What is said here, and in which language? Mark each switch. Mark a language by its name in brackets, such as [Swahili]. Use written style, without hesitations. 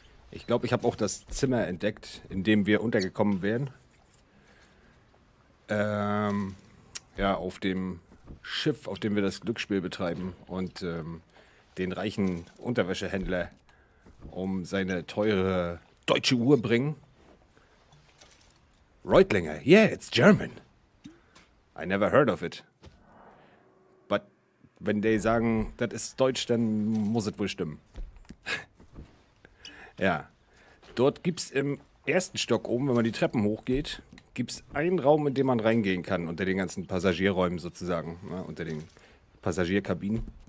[German] Ich glaube, ich habe auch das Zimmer entdeckt, in dem wir untergekommen wären. Ja, auf dem Schiff, auf dem wir das Glücksspiel betreiben und den reichen Unterwäschehändler um seine teure deutsche Uhr bringen. [English] Reutlinger, yeah, it's German. I never heard of it. [German] But wenn die sagen, das ist Deutsch, dann muss es wohl stimmen. Ja, dort gibt es im ersten Stock oben, wenn man die Treppen hochgeht, gibt es einen Raum, in den man reingehen kann, unter den ganzen Passagierräumen sozusagen, ne, unter den Passagierkabinen.